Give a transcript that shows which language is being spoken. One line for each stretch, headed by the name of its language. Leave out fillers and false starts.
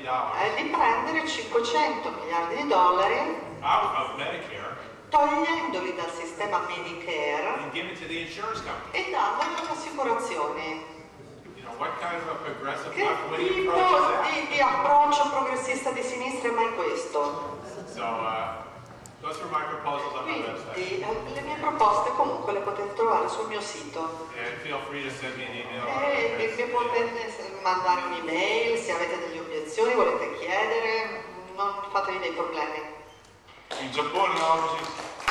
Italian: è di prendere 500 miliardi di dollari
English: out of Medicare,
Italian: togliendoli dal sistema Medicare
English: and give it to the insurance company,
Italian: e dandoli alle assicurazioni.
English: What kind of progressive
Italian: che
English: left-wing
Italian: tipo
English: approach is that?
Italian: Di approccio progressista di sinistra è mai questo?
English: So, those are my proposals on my website.
Italian: Quindi, le mie proposte comunque le potete trovare sul mio sito.
English: And feel free to send me an email.
Italian: Mi potete mandare un'email se avete delle obiezioni, volete chiedere, non fatevi dei problemi. In Giappone oggi.